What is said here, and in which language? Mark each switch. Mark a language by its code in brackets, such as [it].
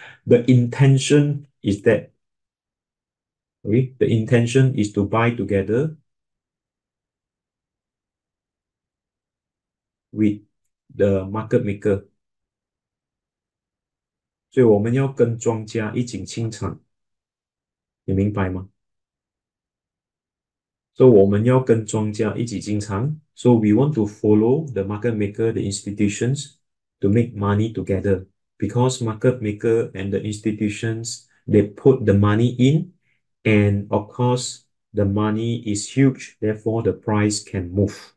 [en] The intention is that，OK，the intention is to buy together with the market maker。 [zh] 所以我们要跟庄家一起进场，你明白吗？所以我们要跟庄家一起进场。 [en] So we want to follow the market maker, the institutions to make money together. Because market maker and the institutions, they put the money in, and of course the money is huge, therefore the price can move.